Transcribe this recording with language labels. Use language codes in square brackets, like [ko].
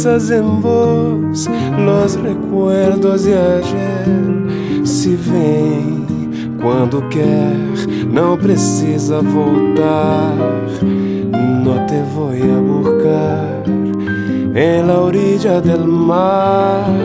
[es] En vos, los recuerdos de ayer. [pt] Se vem quando quer, não precisa voltar. [es] No te voy a buscar en la orilla del mar.